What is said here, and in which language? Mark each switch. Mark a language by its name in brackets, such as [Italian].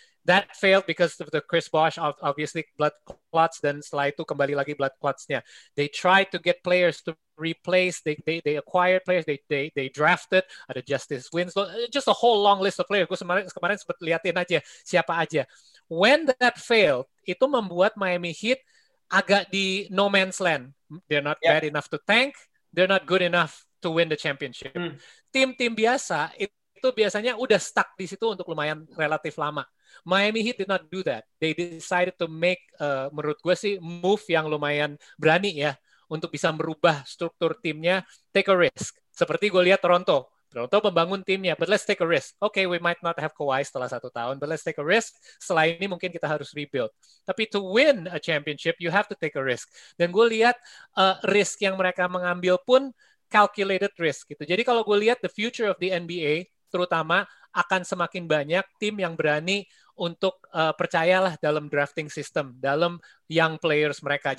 [English] that failed because of the Chris Bosh, obviously blood clots. [Indonesian] Then setelah itu kembali lagi blood clotsnya. [English] They tried to get players to replace. They acquired players. They drafted ada Justice Winslow. Just a whole long list of players. [Indonesian] Gue kemarin sempat liatin aja siapa aja. [English] When that failed, [Indonesian] itu membuat Miami Heat agak di [English] no man's land. They're not bad enough to tank. They're not good enough to win the championship. Hmm. [Indonesian] Tim-tim biasa itu biasanya udah stuck di situ untuk lumayan relatif lama. [English] Miami Heat did not do that. They decided to make, [Indonesian] menurut gue sih, move yang lumayan berani ya untuk bisa merubah struktur timnya. [English] Take a risk. [Indonesian] Seperti gue lihat Toronto. Toronto membangun timnya. [English] But let's take a risk. Okay, we might not have Kawhi [Indonesian] setelah satu tahun, [English] but let's take a risk. [Indonesian] Setelah ini mungkin kita harus rebuild. Tapi [English] to win a championship, you have to take a risk. [Indonesian] Dan gue lihat risk yang mereka mengambil pun [English] calculated risk [Indonesian] gitu. Jadi kalau gue lihat [English] the future of the NBA [Indonesian] terutama akan semakin banyak tim yang berani untuk percayalah dalam drafting system, dalam [English] young players [Indonesian] mereka.